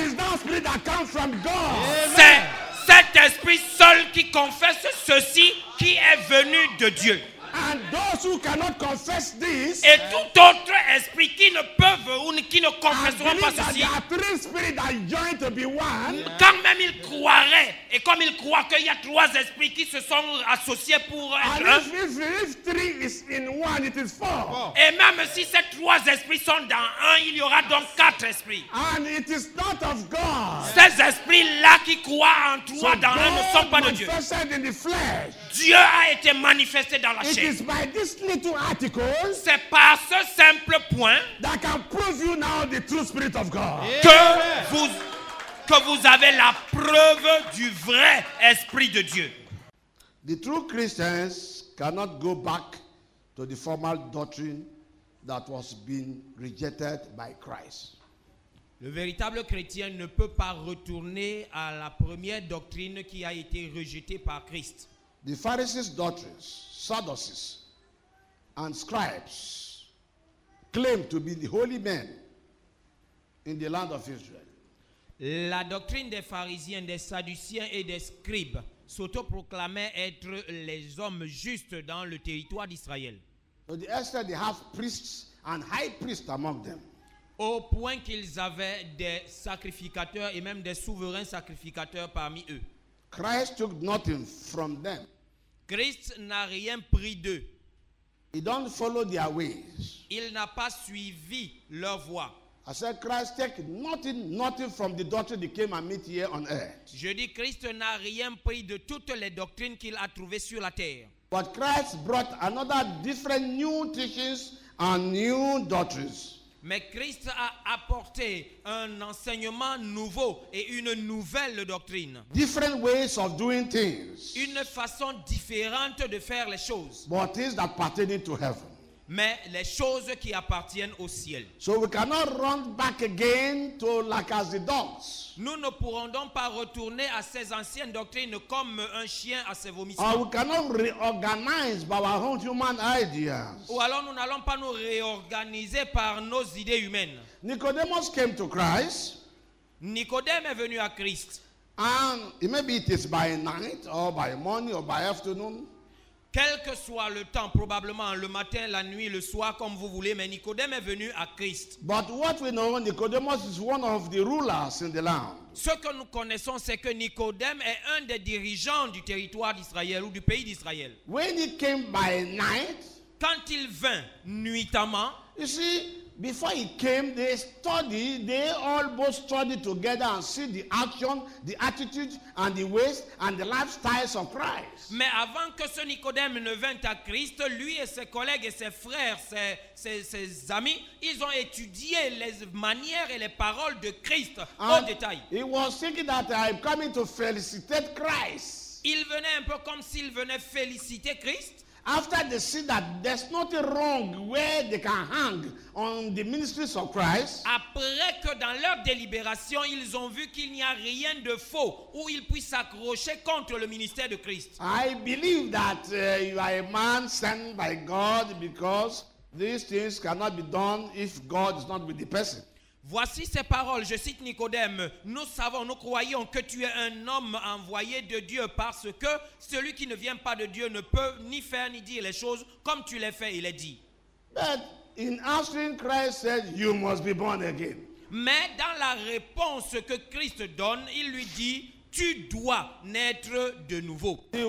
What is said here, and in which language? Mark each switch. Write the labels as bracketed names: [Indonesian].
[English] It is that spirit that comes from God. [French] C'est cet esprit seul qui confesse ceci qui est venu de Dieu. [English] And those who cannot confess this, [French] et tout autre esprit qui ne peuvent ou qui ne confesseront pas ceci, quand même ils croiraient, et comme ils croient qu'il y a trois esprits qui se sont associés pour être un, et même si ces trois esprits sont dans un, il y aura donc quatre esprits. [English] And it is not of God. [French] Ces esprits-là qui croient en trois [English] so [French] dans [English] God [French] un ne sont pas de Dieu. [English] Manifested in the flesh. [French] Dieu a été manifesté dans la chair. [English] It is by this little article, [French] c'est par ce simple point [English] that can prove you now the true spirit of God. Yeah. [French] Que vous avez la preuve du vrai esprit de Dieu. [English] The true Christians cannot go back to the formal doctrine that was being rejected by Christ. [French] Le véritable chrétien ne peut pas retourner à la première doctrine qui a été rejetée par Christ. [English] The Pharisees' doctrines, Sadducees, and scribes claim to be the holy men in the land of Israel. [French] La doctrine des pharisiens, des sadduciens et des scribes s'autoproclamait être les hommes justes dans le territoire d'Israël. [English] To the extent they have priests and high priests among them. [French] Au point qu'ils avaient des sacrificateurs et même des souverains sacrificateurs parmi eux. [English] Christ took nothing from them. [French] Christ n'a rien pris d'eux. [English] He don't follow their ways. [French] Il n'a pas suivi leur voie. [English] I said Christ take nothing from the doctrine he came and meet here on earth. [French] Je dis Christ n'a rien pris de toutes les doctrines qu'il a trouvées sur la terre. [English] But Christ brought another different new teachings and new doctrines. [French] Mais Christ a apporté un enseignement nouveau et une nouvelle doctrine. [English] Different ways of doing things. [French] Une façon différente de faire les choses. [English] But things that pertain to heaven. [French] Mais les choses qui appartiennent au ciel. [English] So we cannot run back again to like as the dogs. [French] Nous ne pourrons donc pas retourner à ces anciennes doctrines comme un chien à ses vomissements. [English] Or we cannot reorganize by our own human ideas. [French] Ou alors nous n'allons pas nous réorganiser par nos idées humaines. [English] Nicodemus came to Christ. [French] Nicodème est venu à Christ. [English] And maybe it is by night or by morning or by afternoon. [French] Quel que soit le temps, probablement le matin, la nuit, le soir, comme vous voulez, mais Nicodème est venu à Christ. [English] But what we know, Nicodemus is one of the rulers in the land. [French] Ce que nous connaissons, c'est que Nicodème est un des dirigeants du territoire d'Israël ou du pays d'Israël. [English] When he came by night, [French] quand il vint nuitamment, [English] you see, before he came, they studied, they all both studied together and see the action, the attitude, and the ways, and the lifestyles of Christ. [French] Mais avant que ce Nicodème ne vint à Christ, lui et ses collègues et ses frères, ses amis, ils ont étudié les manières et les paroles de Christ en détail. [English] He was thinking that I'm coming to felicitate Christ. [French] Il venait un peu comme s'il venait féliciter Christ. [English] After they see that there's nothing wrong where they can hang on the ministries of Christ. [French] Après que dans leur délibération, ils ont vu qu'il n'y a rien de faux où ils puissent s'accrocher contre le ministère de Christ. [English] I believe that you are a man sent by God because these things cannot be done if God is not with the person. [French] Voici ces paroles, je cite Nicodème. Nous savons, nous croyons que tu es un homme envoyé de Dieu parce que celui qui ne vient pas de Dieu ne peut ni faire ni dire les choses comme tu les fais et les dis. [English] But in answering Christ said, you must be born again. [French] Mais dans la réponse que Christ donne, il lui dit, tu dois naître de nouveau.